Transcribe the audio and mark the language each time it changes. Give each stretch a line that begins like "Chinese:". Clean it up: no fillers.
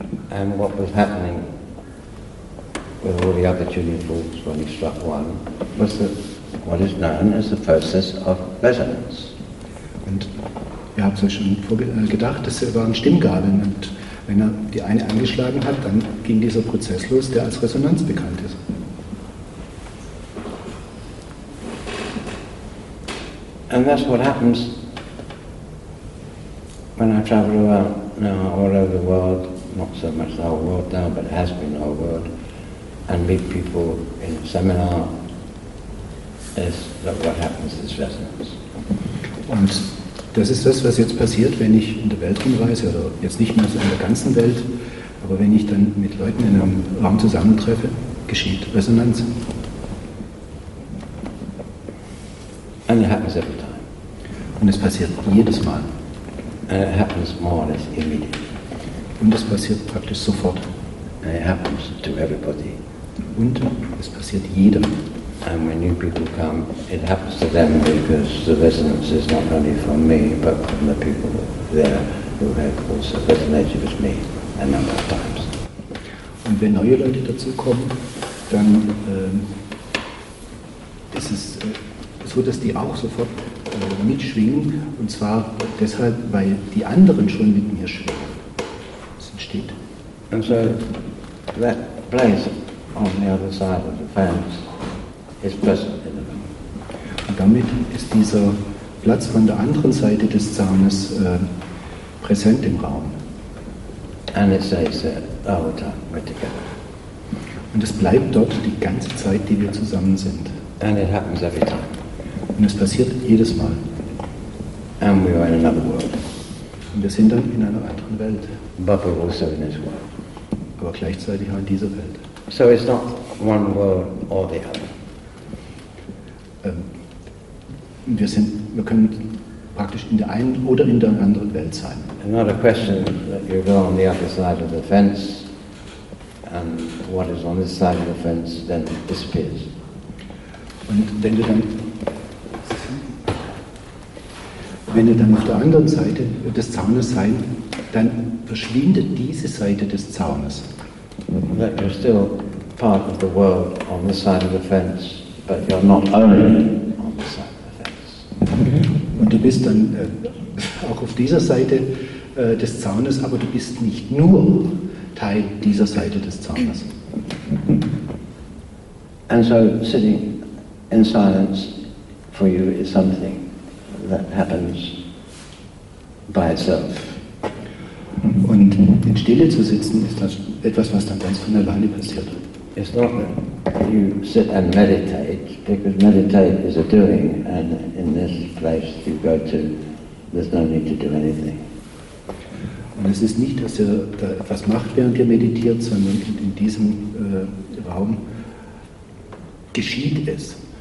English: And what was happening with all the other tuning forks when he struck one was that what is known as the process of resonance.
German: Und ihr habt es euch schon gedacht, das waren Stimmgabeln. Und wenn er die eine angeschlagen hat, dann ging dieser Prozess los, der als Resonanz bekannt ist.
English: And that's what happens when I travel around now all over the world, not so much the whole world now, but it has been the whole world, and meet people in seminar, is that what happens is resonance.
German: Und das ist das, was jetzt passiert, wenn ich in der Welt rumreise, oder jetzt nicht mehr so in der ganzen Welt, aber wenn ich dann mit Leuten in einem Raum zusammentreffe, geschieht Resonanz.
English: And it happens every time.
German: Und es passiert jedes Mal.
English: And it happens more or less immediately.
German: Und es passiert praktisch sofort.
English: And it happens to everybody.
German: Und es passiert jedem.
English: And when new people come, it happens to them because the resonance is not only from me, but from the people there who have also resonated with me a number of times.
German: Und wenn neue Leute dazu kommen, dann ist es so, dass die auch sofort mitschwingen, und zwar deshalb, weil die anderen schon mit mir schwingen. Es entsteht.
English: And so that place on the other side of the fence is present in the room.
German: Und damit ist dieser Platz von der anderen Seite des Zaunes präsent im Raum.
English: And it stays there the whole time we're together.
German: Und es bleibt dort die ganze Zeit, die wir zusammen sind.
English: And it happens every time.
German: Und es passiert jedes Mal.
English: And we are in another world.
German: Und wir sind dann in einer anderen Welt.
English: But we're also in this world.
German: Aber gleichzeitig auch in dieser Welt.
English: So it's not one world or the other.
German: Wir können praktisch in der einen oder in der anderen Welt sein.
English: It's not a question that you go on the other side of the fence and what is on this side of the fence then disappears.
German: Und wenn du dann auf der anderen Seite des Zaunes sein, dann verschwindet diese Seite des Zaunes.
English: That you're still part of the world on the side of the fence, but you're not only on the side of the fence.
German: Und du bist dann auch auf dieser Seite des Zaunes, aber du bist nicht nur Teil dieser Seite des Zaunes.
English: And so sitting in silence for you is something that happens by itself.
German: Und in Stille zu sitzen ist das etwas, was dann ganz von alleine passiert.
English: It's not that you sit and meditate, because meditate is a doing, and in this place you go to, there's no need to do anything.
German: Und es ist nicht, dass ihr da etwas macht, während ihr meditiert, sondern in diesem Raum geschieht es.